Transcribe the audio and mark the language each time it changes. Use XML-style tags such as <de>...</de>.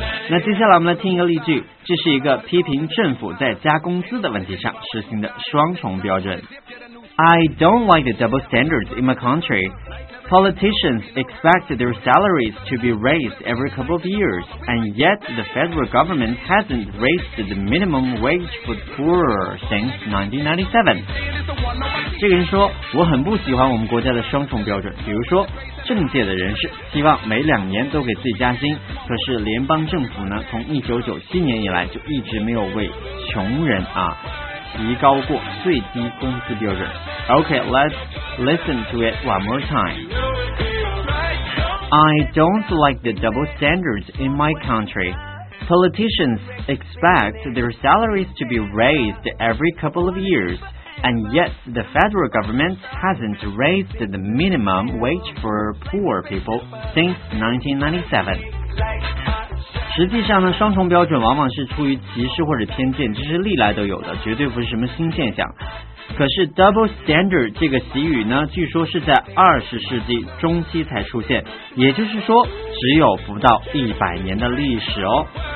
<zh>那接下来我们来听一个例句，这是一个批评政府在加工资的问题上实行的双重标准。</zh> <en>I don't like the double standards in my country. Politicians expect their salaries to be raised every couple of years, and yet the federal government hasn't raised the minimum wage for the poor since 1997.</en> <zh>这个人说，我很不喜欢我们国家的双重标准，比如说政界的人士希望每两年都给自己加薪，可是联邦政府呢，从1997年以来就一直没有为穷人啊提高过最低工资标准。</zh> <en>OK, let's listen to it one more time. I don't like the double standards in my countryPoliticians expect their salaries to be raised every couple of years, and yet the federal government hasn't raised the minimum wage for poor people since 1997.</en> <zh>实际上呢，双重标准往往是出于歧视或者偏见，这是历来都有的，绝对不是什么新现象。可是 double standard 这个习语呢，据说是在20世纪中期才出现，也就是说只有不到100年的历史哦。</zh>